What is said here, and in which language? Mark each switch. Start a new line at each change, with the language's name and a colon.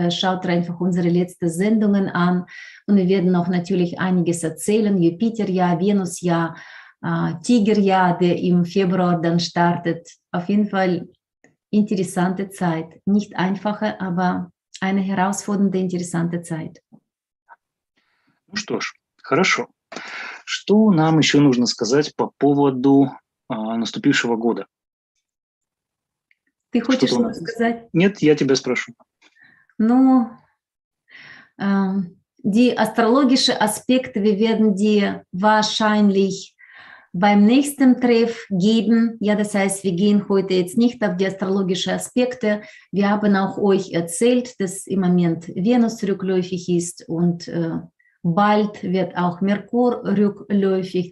German: Schaut einfach unsere letzten Sendungen an. Und wir werden noch natürlich einiges erzählen. Jupiterjahr, Venusjahr, Tigerjahr, der im Februar dann startet. Auf jeden Fall interessante Zeit. Nicht einfache, aber eine herausfordernde, interessante Zeit.
Russian: Ну что ж, хорошо. Что нам еще нужно сказать по поводу наступившего года? Ты хочешь что-то сказать? Нет, я тебя спрошу.
German: Ну, die astrologischen Aspekte, wir werden die wahrscheinlich beim nächsten Treff geben. Ja, das heißt, wir gehen heute jetzt nicht auf die astrologischen Aspekte. Wir haben auch euch erzählt, dass im Moment Venus rückläufig ist und bald wird auch Merkur rückläufig.